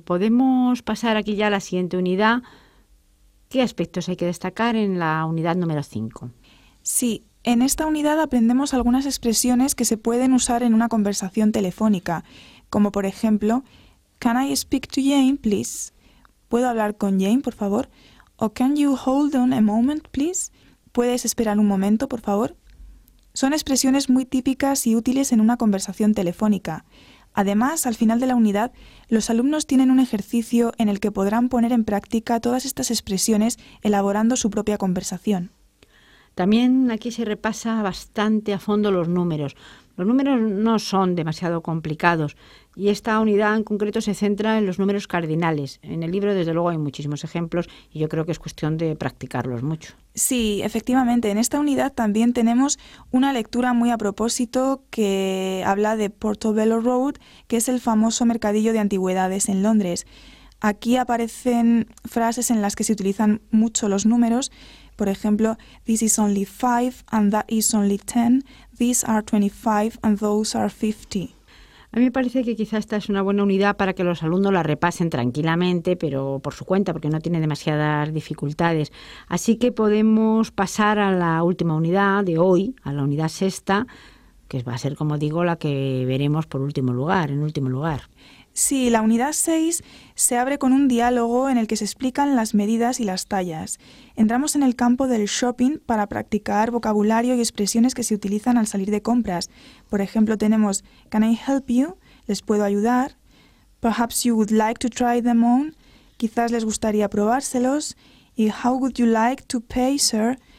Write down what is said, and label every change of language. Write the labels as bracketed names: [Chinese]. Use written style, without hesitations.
[Spanish] Podemos pasar aquí ya a la siguiente unidad. ¿Qué aspectos hay que destacar en la unidad número 5? Sí, en esta unidad aprendemos algunas expresiones que se pueden usar en una conversación telefónica, como por ejemplo, [English] can I speak to Jane, please? [Spanish] ¿Puedo hablar con Jane, por favor? [English] O can you hold on a moment, please? [Spanish] ¿Puedes esperar un momento, por favor? Son expresiones muy típicas y útiles en una conversación telefónica. Además, al final de la unidad, los alumnos tienen un ejercicio en el que podrán poner en práctica todas estas expresiones elaborando su propia conversación. También aquí se repasa bastante a fondo los números. Los números no son demasiado complicados y esta unidad en concreto se centra en los números cardinales. En el libro, desde luego, hay muchísimos ejemplos y yo creo que es cuestión de practicarlos mucho. Sí, efectivamente. En esta unidad también tenemos una lectura muy a propósito que habla de Portobello Road, que es el famoso mercadillo de antigüedades en Londres. Aquí aparecen frases en las que se utilizan mucho los números. Por ejemplo, [English] this is only 5 and that is only 10, these are 25 and those are 50. [Spanish] A mí me parece que quizá esta es una buena unidad para que los alumnos la repasen tranquilamente, pero por su cuenta, porque no tiene demasiadas dificultades. Así que podemos pasar a la última unidad de hoy, a la unidad 6, que va a ser, como digo, la que veremos por último lugar, en último lugar. Sí, la unidad 6 se abre con un diálogo en el que se explican las medidas y las tallas. Entramos en el campo del shopping para practicar vocabulario y expresiones que se utilizan al salir de compras. Por ejemplo, tenemos [English] can I help you? [Spanish] ¿Les puedo ayudar? [English] Perhaps you would like to try them on? [Spanish] Quizás les gustaría probárselos. [English] Y how would you like to pay, sir?